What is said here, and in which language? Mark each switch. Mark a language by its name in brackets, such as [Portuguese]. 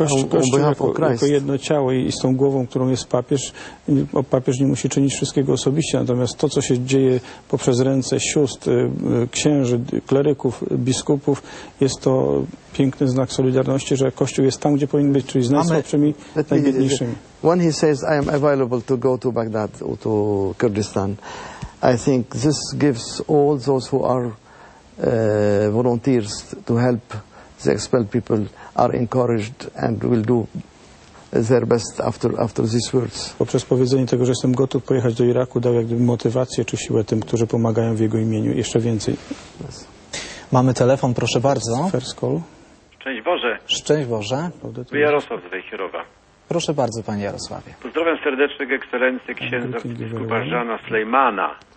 [Polish] Kościół jako jedno ciało i z tą głową, którą jest papież, papież nie musi czynić wszystkiego osobiście, natomiast to, co się dzieje poprzez ręce sióstr, księży, kleryków, biskupów, jest to piękny znak solidarności, że Kościół jest tam, gdzie powinien być, czyli z najsłabszymi, najbiedniejszymi. [English] When he says, I am available to go to Baghdad or to Kurdistan, I think this gives all those who are volunteers to help the expelled people are encouraged and will do their best after these words. [Polish] Poprzez powiedzenie tego, że jestem gotów pojechać do Iraku, dał jakby motywację czy siłę tym, którzy pomagają w jego imieniu. Jeszcze więcej. Yes. Mamy telefon, proszę bardzo. [English] First call. [Polish] Szczęść Boże. Tu Jarosław z Wejherowa. Proszę bardzo, panie Jarosławie. Pozdrawiam serdecznie ekscelencję księdza biskupa Jana Slejmana.